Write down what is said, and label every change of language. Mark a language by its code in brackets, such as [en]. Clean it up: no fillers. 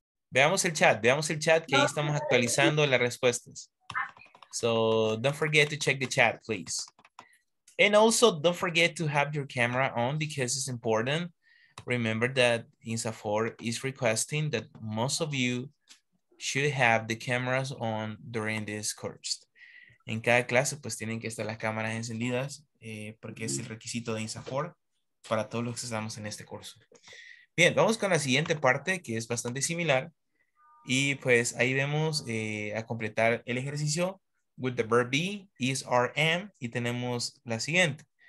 [es] Veamos el chat, que ahí estamos actualizando las respuestas. [en] So, don't forget to check the chat, please. And also, don't forget to have your camera on because it's important. Remember that INSAFORP is requesting that most of you should have the cameras on during this course. [es] En cada clase, pues tienen que estar las cámaras encendidas porque es el requisito de INSAFORP para todos los que estamos en este curso. Bien, vamos con la siguiente parte que es bastante similar. Y pues ahí vemos a completar el ejercicio [en] with the verb be, is, are, am, [es] y tenemos la siguiente.